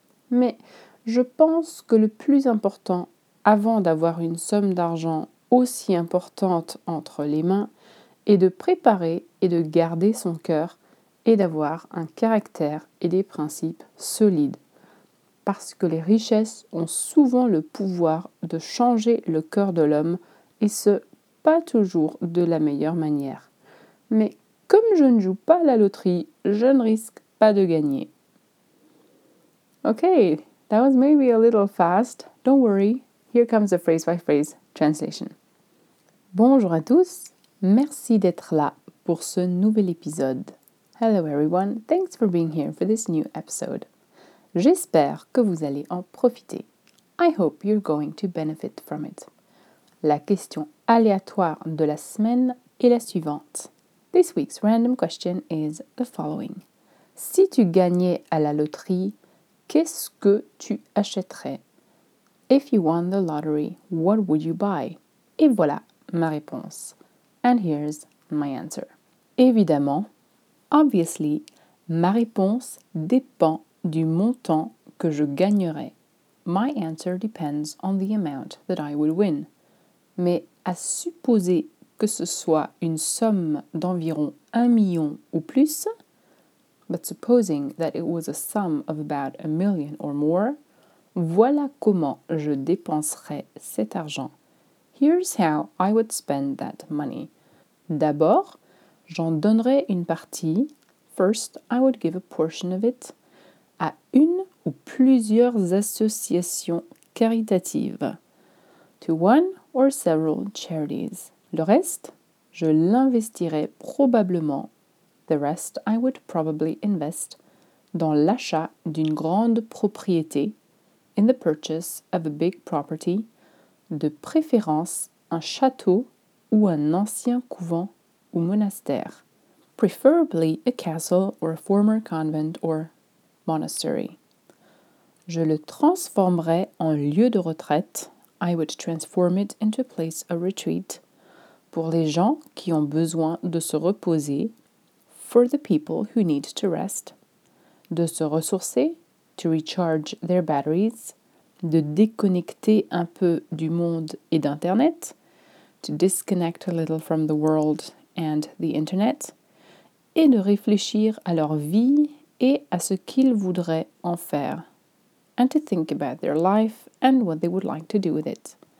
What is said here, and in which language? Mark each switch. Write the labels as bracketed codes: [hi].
[fr] Mais je pense que le plus important avant d'avoir une somme d'argent aussi importante entre les mains, et de préparer et de garder son cœur, et d'avoir un caractère et des principes solides. Parce que les richesses ont souvent le pouvoir de changer le cœur de l'homme, et ce, pas toujours de la meilleure manière. Mais comme je ne joue pas à la loterie, je ne risque pas de gagner. [en] Ok, that was maybe a little fast, don't worry. Here comes the phrase-by-phrase translation. [fr] Bonjour à tous, merci d'être là pour ce nouvel épisode. [en] Hello everyone, thanks for being here for this new episode. [fr] J'espère que vous allez en profiter. [en] I hope you're going to benefit from it. [fr] La question aléatoire de la semaine est la suivante. [en] This week's random question is the following. [fr] Si tu gagnais à la loterie, qu'est-ce que tu achèterais? [en] If you won the lottery, what would you buy? [fr] Et voilà ma réponse. [en] And here's my answer. [fr] Évidemment, [en] Obviously, [fr] ma réponse dépend du montant que je gagnerai. [en] My answer depends on the amount that I will win. [fr] Mais à supposer que ce soit une somme d'environ 1 million ou plus, [en] but supposing that it was a sum of about 1 million or more, [fr] voilà comment je dépenserais cet argent. [en] Here's how I would spend that money. [fr] D'abord, j'en donnerais une partie. [en] First, I would give a portion of it [fr] à une ou plusieurs associations caritatives. [en] To one or several charities. [fr] Le reste, je l'investirais probablement. [en] The rest, I would probably invest [fr] dans l'achat d'une grande propriété. [en] In the purchase of a big property. [fr] De préférence, un château ou un ancien couvent ou monastère. [en] Preferably a castle or a former convent or monastery. [fr] Je le transformerai en lieu de retraite. [en] I would transform it into a place of retreat. [fr] Pour les gens qui ont besoin de se reposer. [en] For the people who need to rest. [fr] De se ressourcer. [en] To recharge their batteries. [fr] De déconnecter un peu du monde et d'Internet. [en] To disconnect a little from the world and the Internet. [fr] Et de réfléchir à leur vie et à ce qu'ils voudraient en faire. [en] And to think about their life and what they would like to do with it.